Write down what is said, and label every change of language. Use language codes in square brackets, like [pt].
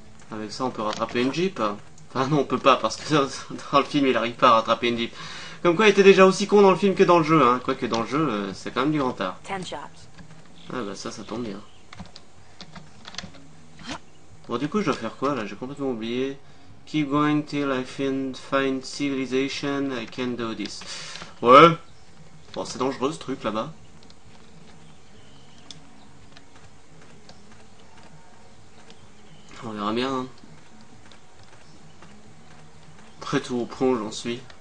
[fr] Avec ça, on peut rattraper une Jeep. Enfin, non, on peut pas, parce que dans le film, il arrive pas à rattraper une Jeep. Comme quoi, il était déjà aussi con dans le film que dans le jeu, hein. Quoique dans le jeu, c'est quand même du grand art. Ah bah ça tombe bien. Bon, du coup, je dois faire quoi, là? J'ai complètement oublié. [en] Keep going till I find civilization, I can do this. [fr] Ouais. Bon, c'est dangereux, ce truc, là-bas. On verra bien, hein. Après tout, au point où j'en suis.